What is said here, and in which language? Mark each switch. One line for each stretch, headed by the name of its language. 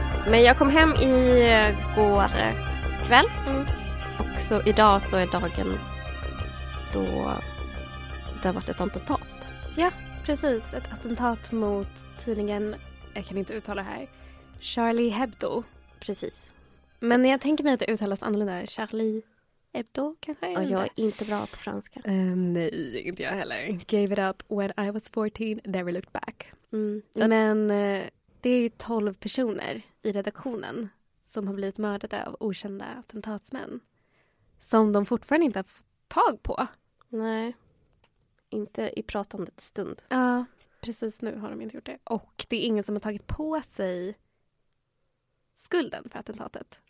Swedish: Men jag kom hem igår kväll. Så idag så är dagen då det har varit ett attentat. Ja, precis. Ett attentat mot tidningen, jag kan inte uttala här, Charlie Hebdo. Precis. Men jag tänker mig att det uttalas annorlunda. Charlie Hebdo kanske? Ja, jag är inte bra på franska. Nej, inte jag heller.
English: Gave it up when I was 14, never looked back.
Swedish: Men det är ju 12 personer i redaktionen som har blivit mördade av okända attentatsmän. Som de fortfarande inte har fått tag på. Nej. Inte i pratande stund. Ja, precis nu har de inte gjort det. Och det är ingen som har tagit på sig skulden för attentatet.